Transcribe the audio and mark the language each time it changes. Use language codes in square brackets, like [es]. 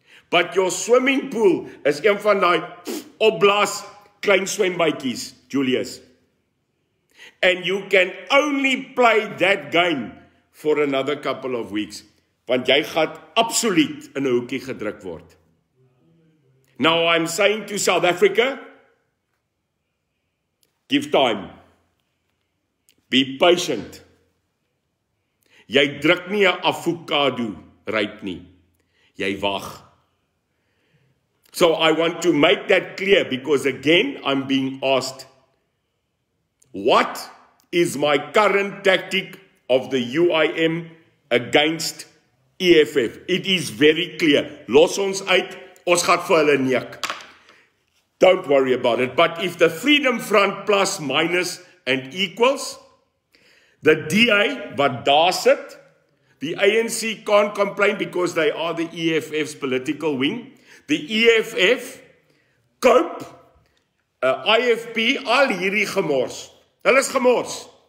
[en] But your swimming pool is [af] een van die opblaas klein swembadjies, Julius. [en] And you can only play that game for another couple of weeks. [af] Want jy gaat absoluut in 'n hoekie gedruk word. [en] Now, I'm saying to South Africa, give time. Be patient. [af] Jy druk nie 'n avokado ryp nie. Jy wag. [en] So I want to make that clear, because again, I'm being asked, what is my current tactic of the UIM against EFF? It is very clear. [af] Los ons uit, ons gaat vir hulle neek. [en] Don't worry about it. But if the Freedom Front plus, minus and equals, the DA, [af] wat daar sit, [en] the ANC can't complain because they are the EFF's political wing. [af] The EFF, COPE, IFP, al hierdie gemors. Hulle is gemors.